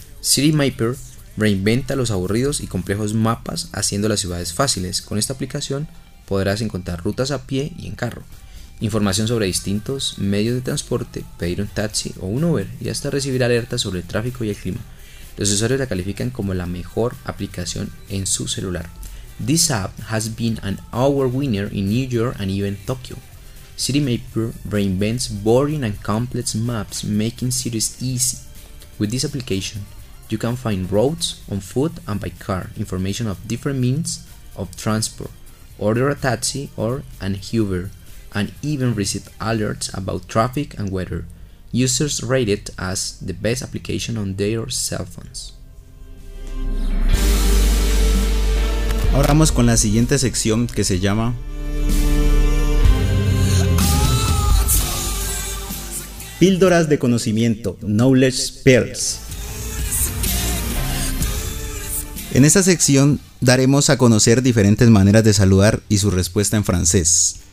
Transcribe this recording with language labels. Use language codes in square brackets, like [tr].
[es] City Mapper reinventa los aburridos y complejos mapas, haciendo las ciudades fáciles. Con esta aplicación podrás encontrar rutas a pie y en carro, información sobre distintos medios de transporte, pedir un taxi o un Uber y hasta recibir alertas sobre el tráfico y el clima. Los usuarios la califican como la mejor aplicación en su celular. [en] This app has been an award winner in New York and even Tokyo. City Mapper reinvents boring and complex maps, making cities easy. With this application, you can find roads on foot and by car, information of different means of transport, order a taxi or an Uber, and even receive alerts about traffic and weather. Users rate it as the best application on their cell phones. [es] Ahora vamos con la siguiente sección que se llama Píldoras de conocimiento, Knowledge Pills. En esta sección daremos a conocer diferentes maneras de saludar y su respuesta en francés.